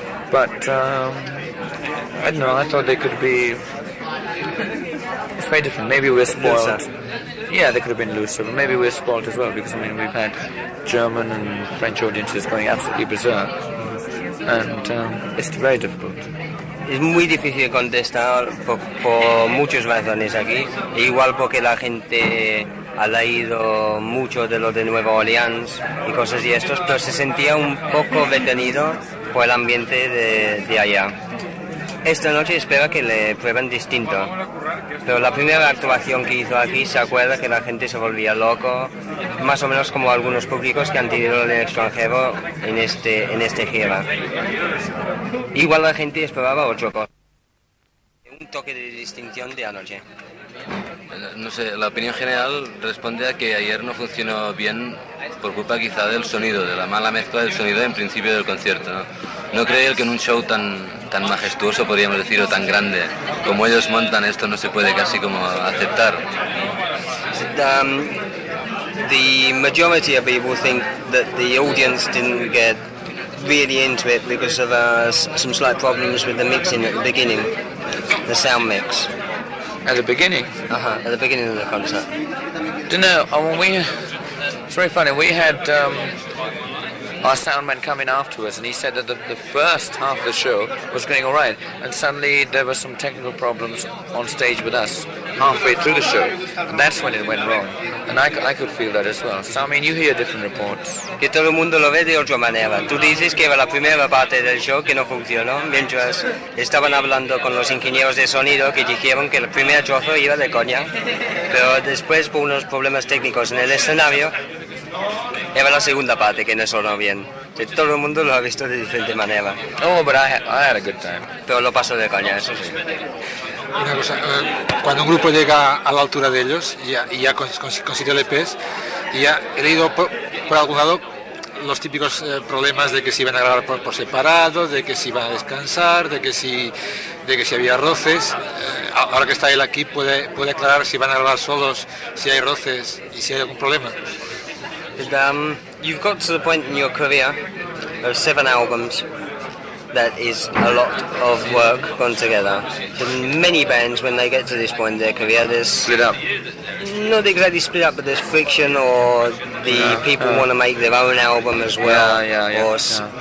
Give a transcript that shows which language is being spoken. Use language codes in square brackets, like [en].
[en] But I don't know, I thought they could be, it's very different, maybe we're spoiled. Looser. Yeah, they could have been looser, but maybe we're spoiled as well, because I mean, we've had German and French audiences going absolutely berserk, and it's very difficult. [es] Es muy difícil contestar por muchas razones aquí, igual porque la gente ha leído mucho de lo de Nueva Orleans y cosas y estos, pero se sentía un poco detenido por el ambiente de allá. Esta noche espera que le prueben distinto. Pero la primera actuación que hizo aquí, se acuerda que la gente se volvía loco, más o menos como algunos públicos que han tenido en el extranjero en este gira. Igual la gente esperaba otro cosa. Un toque de distinción de anoche. No sé, la opinión general responde a que ayer no funcionó bien por culpa quizá del sonido, de la mala mezcla del sonido en principio del concierto, ¿no? ¿No cree él que en un show tan majestuoso, podríamos decir, o tan grande, como ellos montan esto, no se puede casi como aceptar? [en] The majority of people think that the audience didn't get really into it because of some slight problems with the mixing at the beginning, the sound mix. At the beginning? Uh-huh, at the beginning of the concert. Don't know, it's very funny, we had our sound man coming after us, and he said that the first half of the show was going all right, and suddenly there were some technical problems on stage with us, halfway through the show, and that's when it went wrong. And I could feel that as well. So I mean, you hear different reports. [es] Que todo el mundo lo ve de otra manera. Tú dices que era la primera parte del show que no funcionó, mientras estaban hablando con los ingenieros de sonido que dijeron que el primer trozo iba de coña, pero después por unos problemas técnicos en el escenario, era la segunda parte que no sonó bien. Que todo el mundo lo ha visto de diferente manera. [en] Oh, but I had a good time. [es] Pero lo paso de coña, eso sí. Una cosa, cuando un grupo llega a la altura de ellos y ya consigue el EPs, y ya he leído por algún lado los típicos problemas de que si iban a grabar por separado, de que si iban a descansar, de que si había roces. Ahora que está él aquí, ¿puede aclarar si van a grabar solos, si hay roces y si hay algún problema? [en] You've got to the point in your career of 7 albums that is a lot of work gone together. The many bands, when they get to this point in their career, there's... Split up. Not exactly split up, but there's friction, or the people want to make their own album as well.